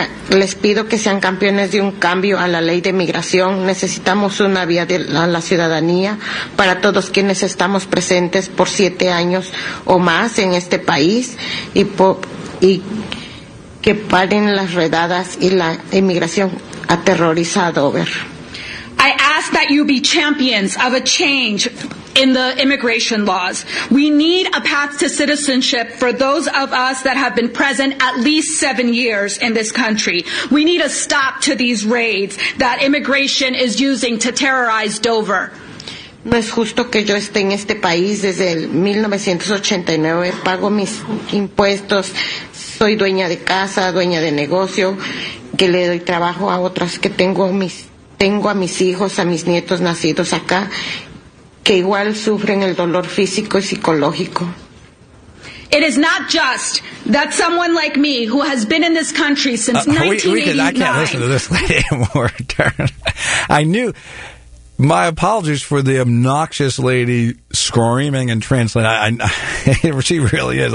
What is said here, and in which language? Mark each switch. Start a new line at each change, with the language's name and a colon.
Spanish: Les pido que sean campeones de un cambio a la ley de migración. Necesitamos una vía de la ciudadanía para todos quienes estamos presentes por 7 años o más en este país y que paren las redadas y la inmigración aterrorizada.
English: Over. I ask that you be champions of a change in the immigration laws. We need a path to citizenship for those of us that have been present at least 7 years in this country. We need a stop to these raids that immigration is using to terrorize Dover.
Spanish: No es justo que yo esté en este país desde el 1989. Pago mis impuestos. Soy dueña de casa, dueña de negocio, que le doy trabajo a otras, que tengo a mis hijos, a mis nietos nacidos acá, que igual sufren el dolor físico y psicológico.
English: It is not just that someone like me, who has been in this country since 1989. I can't listen to this lady anymore. I knew. My apologies for the obnoxious lady screaming and translating. She really is.